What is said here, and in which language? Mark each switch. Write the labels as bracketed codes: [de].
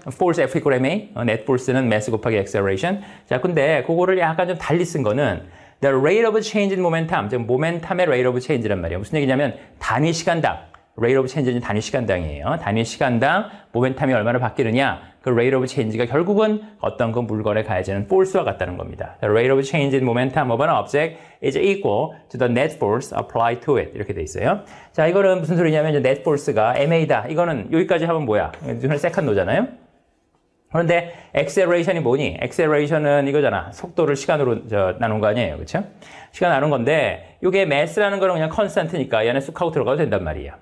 [en] force F equal ma. net force는 mass 곱하기 acceleration. [ko] 자, 근데 그거를 약간 좀 달리 쓴 거는 [en] the rate of change in momentum. [ko] 즉, 모멘텀의 rate of change란 말이에요. 무슨 얘기냐면 단위 시간당. rate of change는 단위 시간당이에요. 단위 시간당 모멘텀이 얼마나 바뀌느냐. 그 rate of change가 결국은 어떤 그 물건에 가해지는 force와 같다는 겁니다. [en] the rate of change in momentum of an object is equal to the net force applied to it. [ko] 이렇게 돼 있어요. 자, 이거는 무슨 소리냐면 이제 net force가 ma다. 이거는 여기까지 하면 뭐야? 이거는 second law잖아요. 그런데 acceleration이 뭐니? acceleration은 이거잖아. 속도를 시간으로 나눈 거 아니에요. 그렇죠? 시간 나눈 건데 이게 mass라는 거는 그냥 constant니까 얘네 쑥하고 들어가도 된단 말이에요.